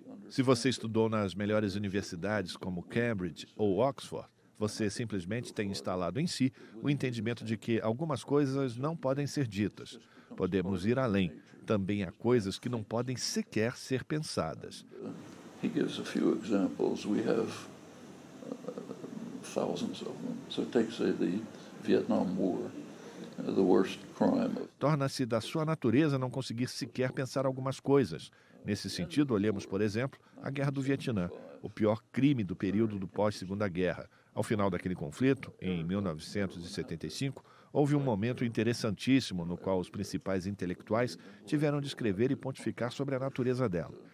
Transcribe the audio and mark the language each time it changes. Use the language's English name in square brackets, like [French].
[Portuguese] Se você estudou nas melhores universidades como Cambridge ou Oxford, você simplesmente tem instalado em si o entendimento de que algumas coisas não podem ser ditas. Podemos ir além. Também há coisas que não podem sequer ser pensadas. [English] He gives a few examples. We have thousands of them. So take, say, the Vietnam War, the worst crime. [Portuguese] Torna-se da sua natureza não conseguir sequer pensar algumas coisas. Nesse sentido, olhemos, por exemplo, a Guerra do Vietnã, o pior crime do período do pós-Segunda Guerra. Ao final daquele conflito, em 1975, houve um momento interessantíssimo no qual os principais intelectuais tiveram de escrever e pontificar sobre a natureza dela.